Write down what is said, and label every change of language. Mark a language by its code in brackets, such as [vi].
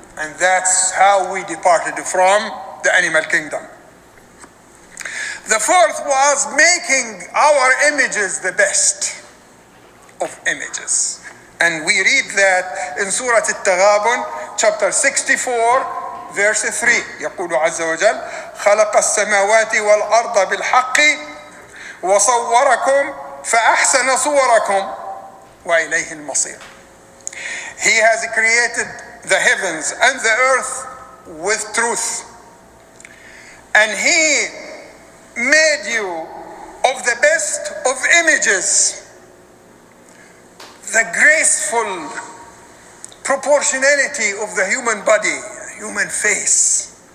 [en] And that's how we departed from the animal kingdom. The fourth was making our images the best of images. And we read that in Surah At-Taghabun, chapter 64, verse 3. [ar] يقول عز وجل خلق السماوات والأرض بالحق وصوركم فأحسن صوركم وإليه المصير. [en] He has created the heavens and the earth with truth. And He made you of the best of images, the graceful proportionality of the human body, human face.